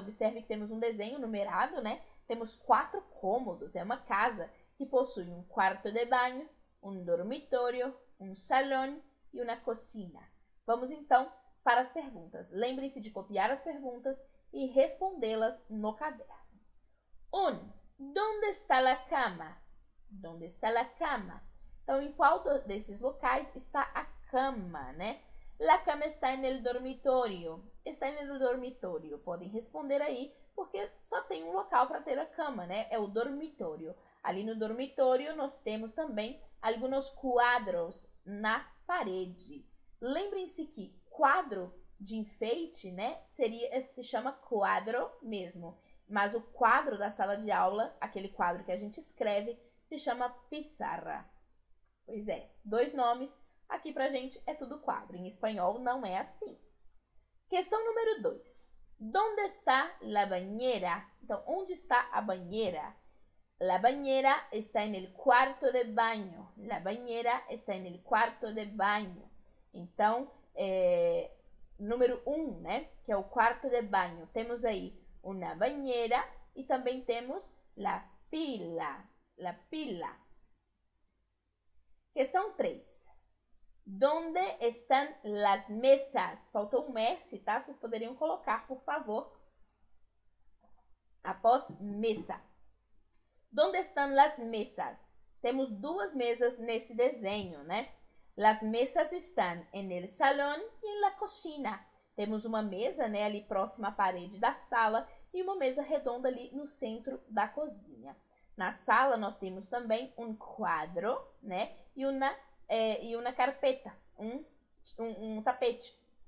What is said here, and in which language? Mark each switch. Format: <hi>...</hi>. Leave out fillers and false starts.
<pt>Observe que temos um desenho numerado, né? Temos quatro cômodos. É uma casa que possui um quarto de banho, um dormitório, um salão e uma cozinha. Vamos então para as perguntas. Lembrem-se de copiar as perguntas e respondê-las no caderno. 1.</pt> <es>Donde está la cama? Donde está la cama?</es> <pt>Então, em qual desses locais está a cama, né?</pt> <es>La cama está en el dormitorio. Está en el dormitorio.</es> <pt>Podem responder aí, porque só tem um local para ter a cama, né? É o dormitório. Ali no dormitório, nós temos também alguns quadros na parede. Lembrem-se que quadro de enfeite, né, se chama quadro mesmo. Mas o quadro da sala de aula, aquele quadro que a gente escreve, se chama pizarra. Pois é, dois nomes. Aqui pra gente é tudo quadro. Em espanhol não é assim. Questão número 2.</pt> <es>Donde está la bañera?</es> <pt>Então, onde está a banheira?</pt> <es>La bañera está en el cuarto de baño. La bañera está en el cuarto de baño.</es> <pt>Então, número 1, né, que é o quarto de banho. Temos aí una bañera e também temos la pila. La pila. Questão 3.</pt> <es>Donde están las mesas?</es> <pt>Faltou um S, tá? Vocês poderiam colocar, por favor, após mesa.</pt> <es>Donde están las mesas?</es> <pt>Temos duas mesas nesse desenho, né?</pt> <es>Las mesas están en el salón y en la cocina.</es> <pt>Temos uma mesa, né, ali próxima à parede da sala e uma mesa redonda ali no centro da cozinha. Na sala, nós temos também um quadro, né, e uma carpeta, um tapete.</pt>